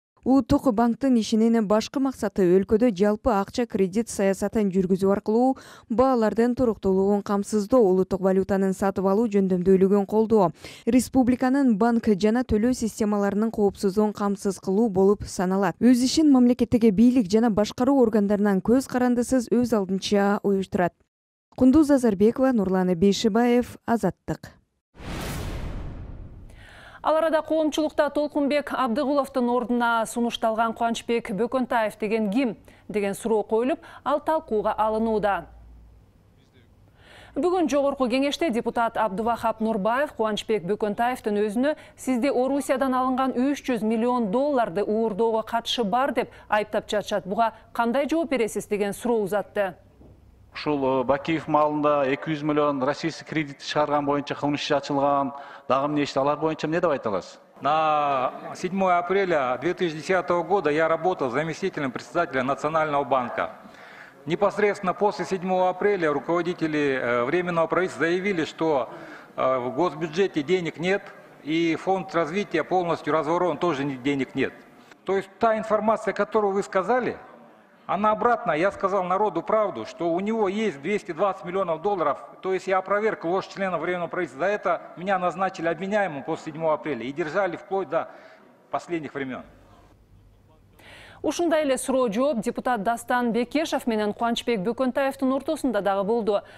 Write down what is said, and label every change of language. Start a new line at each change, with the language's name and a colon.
Kyrgyz: Улуттук банктын ишинин башкы максаты өлкөдө жалпы акча кредит саясатын жүргүзүү аркылуу бааларден туруктуулугун камсыздоо, улуттук валютанын сатып алуу жөндөмдүүлүгүн колдоо, республиканын банк жана төлөө системаларынын коопсуздугун камсыз кылуу болуп саналат. Өз ишин мамлекеттеги бийлик жана башкаруу органдарынан көз карандысыз өз алдынча уюштурат. Кундуз Азарбекова, Нурлан Бейшибаев, Азаттык. Ал арада коомчулукта Толкунбек Абдыгуловтун ордуна сунушталган Кубанчбек Бөкөнтаев деген ким деген суроо коюлуп, ал талкууга алынууда. Бүгүн Жогорку Кеңеште депутат Абдывахап Нурбаев Кубанчбек Бөкөнтаевдин өзүнө сизди Орусиядан алынган 300 миллион долларды уурдоого катышы бар деп айыптап жатышат. Буга кандай жооп бересиз деген суроо узатты. Ушул Бакиев маалында 200 миллион российский кредит чыгарган боюнча кылмыш иши ачылган. Дагы эмне иш, алар боюнча эмне деп айта аласыз?
Russian: На 7 апреля 2010 года я работал заместителем председателя Национального банка. Непосредственно после 7 апреля руководители временного правительства заявили, что в госбюджете денег нет и фонд развития полностью разворован, тоже денег нет. То есть та информация, которую вы сказали, она обратно, я сказал народу правду, что у него есть 220 миллионов долларов. То есть я опроверг ложь членов временного правительства. За это меня назначили обвиняемым после 7 апреля и держали вплоть до последних времен.
Kyrgyz: Ушундай эле суроо жооп депутат Дастан Бекешев менен Кубанчбек Бөкөнтаевдин ортосунда дагы болду.